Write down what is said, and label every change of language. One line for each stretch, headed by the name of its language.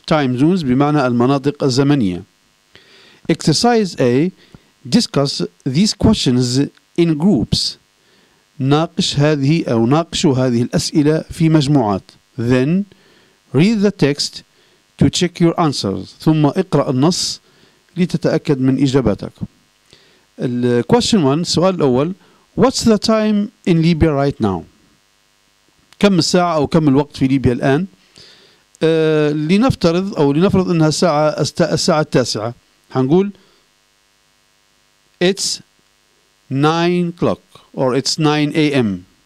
English: Time Zones
Arabic: بمعنى المناطق الزمنية.
English: Exercise A: Discuss these questions in groups.
Arabic: ناقش هذه أو ناقشوا هذه الأسئلة في مجموعات.
English: Then read the text to check your answers.
Arabic: ثم اقرأ النص لتتأكد من إجاباتك. Question 1، السؤال الأول:
English: What's the time in Libya right now؟
Arabic: كم الساعة أو كم الوقت في ليبيا الآن؟ لنفترض أو لنفرض أنها الساعة التاسعة، هنقول
English: It's 9 o'clock or It's 9 a.m.